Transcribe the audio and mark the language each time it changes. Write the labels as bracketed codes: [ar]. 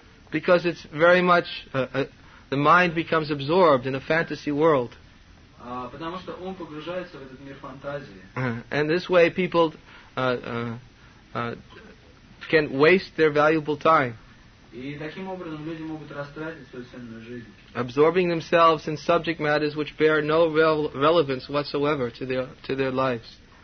[en] Because it's very much the mind becomes absorbed in a fantasy world. And this way people can waste their valuable time. [ru] И таким образом люди могут растратить свою ценную жизнь. [en] Absorbing themselves in subject matters which bear no relevance whatsoever to their lives.